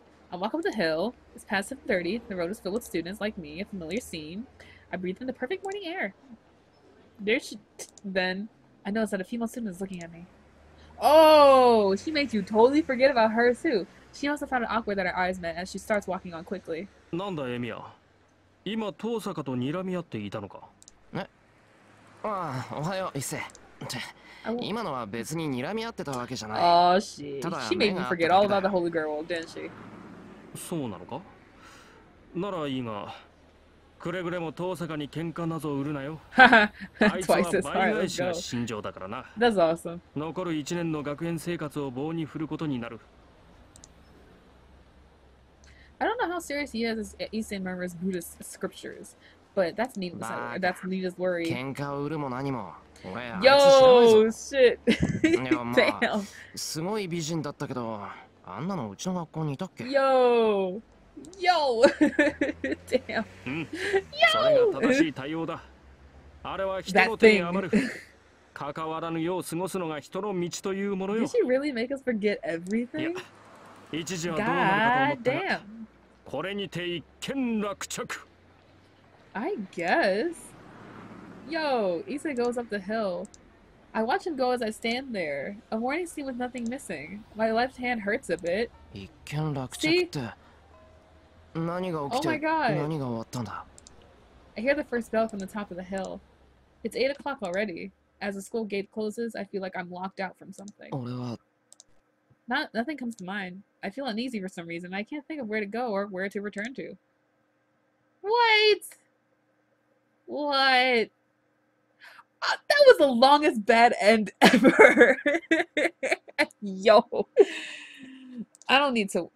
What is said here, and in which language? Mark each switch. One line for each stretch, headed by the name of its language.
English: I walk up the hill. It's past 7:30. The road is filled with students like me, a familiar scene. I breathe in the perfect morning air. There she then I notice that a female student is looking at me. Oh, she makes you totally forget about her too. She also found it awkward that her eyes met as she starts walking on quickly.
Japanese: なんだ、エミア。今、遠坂と睨み合っていたのか。え？ああ、おはよう、伊勢。今のは別に睨み合ってたわけじゃない。
English: Oh, she. She made me forget all about the holy girl, didn't she?
Japanese: そうなのか。ならいいが、くれぐれも遠坂に喧嘩などを売るなよ。あいつは倍返しが信条だからな。
English: That's awesome.
Japanese: 残る1年の学園生活を棒に振ることになる。
English: I don't know how serious he is as Issei murmurs Buddhist scriptures, but that's Nita's that's worry.
Japanese: 喧嘩を売るも何も。
English: Yo, shit. Damn.
Japanese: すごい美人だったけど。あんなのうちの学校にいたっけ？
English: Yo! Yo! Damn!
Japanese: Yo! それが正しい対応だ。あれは人の手に余る。関わらぬよう過ごすのが人の道というものよ。
English: Did she really make us forget everything?
Japanese: いや、一時はどうなるかと思ったが、Damn. これにて一件落着。
English: I guess. Yo! Issei goes up the hill. I watch him go as I stand there, a warning scene with nothing missing. My left hand hurts a bit.
Japanese: 一見落着って何が起きて何が終わったんだ。
English: I hear the first bell from the top of the hill. It's 8 o'clock already. As the school gate closes, I feel like I'm locked out from something.
Japanese: 俺は
English: Nothing comes to mind. I feel uneasy for some reason. I can't think of where to go or where to return to. Wait! What? That was the longest bad end ever. Yo. I don't need to.